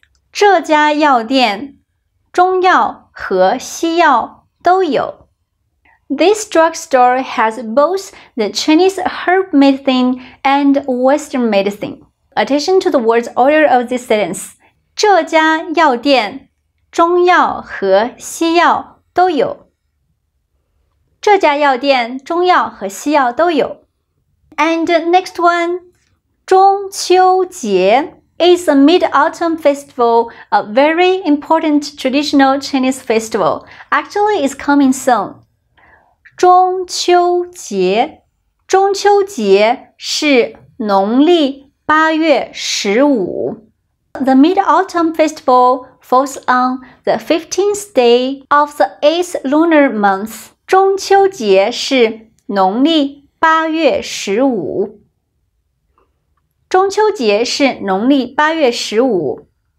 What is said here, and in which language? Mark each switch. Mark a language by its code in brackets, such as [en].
[zh] 这家药店中药和西药都有。 [en] This drugstore has both the Chinese herb medicine and Western medicine. Attention to the words order of this sentence. [zh] 这家药店中药和西药都有。这家药店中药和西药都有。 [en] And next one, 中秋节 is a mid-autumn festival, a very important traditional Chinese festival. Actually, it's coming soon. [zh] 中秋节中秋节是农历八月十五。 [en] The mid-autumn festival falls on the 15th day of the 8th lunar month. [zh] 中秋节是农历八月十五。中秋节是农历八月十五。